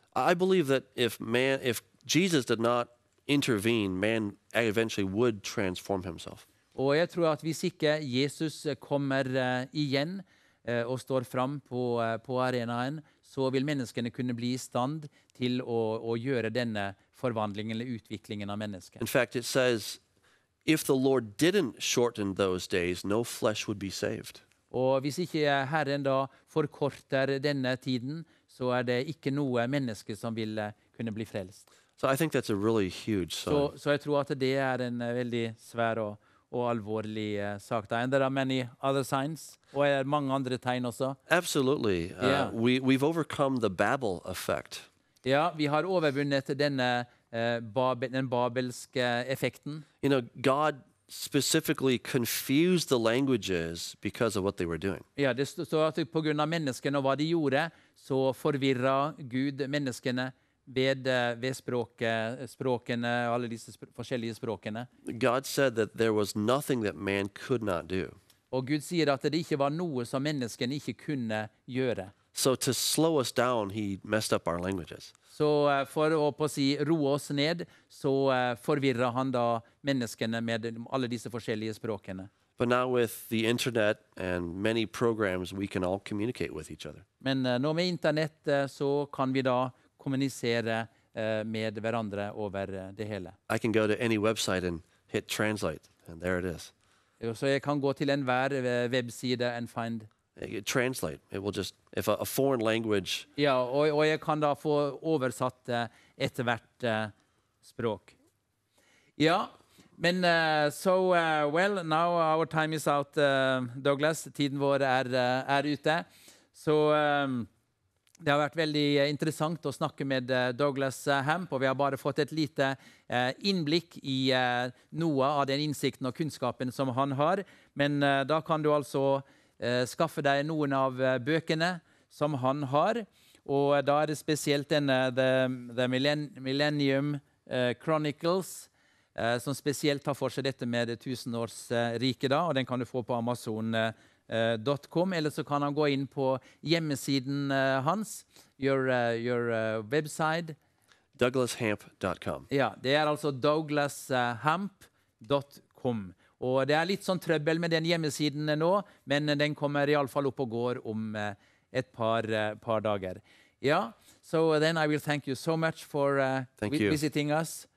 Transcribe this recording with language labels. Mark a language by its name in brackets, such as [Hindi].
[English] I believe that if Jesus did not intervene, man eventually would transform himself. [Norwegian] Og jeg tror at hvis ikke Jesus kommer igjen og står frem på arenaen, så vil menneskene kunne bli i stand til å gjøre denne forvandlingen eller utviklingen av mennesket. [English] In fact, it says, if the Lord didn't shorten those days, no flesh would be saved. [Norwegian] Og hvis ikke Herren da forkorter denne tiden, så er det ikke noe menneske som vil kunne bli frelst. [English] So I think that's a really huge sign. [Norwegian] Så jeg tror at det er en veldig svær og alvorlig sak. [English] And there are many other signs, [Norwegian] og er mange andre tegn også. [English] Absolutely. Yeah. We've overcome the Babel effect. [Norwegian] Ja, vi har overvunnet denne den babelske effekten. [English] You know, God specifically confused the languages because of what they were doing. [Norwegian] Ja, det står at på grunn av menneskene og hva de gjorde, så forvirra Gud menneskene ved språkene, alle disse forskjellige språkene. [English] God said that there was nothing that man could not do. [Norwegian] Og Gud sier at det ikke var noe som menneskene ikke kunne gjøre. [English] So to slow us down, he messed up our languages. [Norwegian] Så for å på si roe oss ned, så forvirrer han da menneskene med alle disse forskjellige språkene. [English] But now with the internet and many programs, we can all communicate with each other. [Norwegian] Men nå med internett så kan vi da kommunisere med hverandre over det hele. [English] I can go to any website and hit translate, and there it is. [Norwegian] Så jeg kan gå til enhver webside [English] and find translate. It will just, if a foreign language. [Norwegian] Ja, og jeg kan da få oversatt etter hvert språk. [English] Ja, men well, now our time is out, Douglas. [Norwegian] Tiden vår er ute. Så det har vært veldig interessant å snakke med Douglas Hamp, og vi har bare fått et lite innblikk i noe av den innsikten og kunnskapen som han har. Men da kan du altså skaffe deg noen av bøkene som han har, og da er det spesielt denne The Millennium Chronicles, som spesielt tar for seg dette med det tusenårsrike da, og den kan du få på Amazon.com, eller så kan han gå inn på hjemmesiden hans, [English] your website. [Norwegian] DouglasHamp.com. Ja, det er altså DouglasHamp.com. Og det er litt sånn trøbbel med den hjemmesiden nå, men den kommer i alle fall opp og går om et par dager. [English] Ja, so then I will thank you so much for visiting us.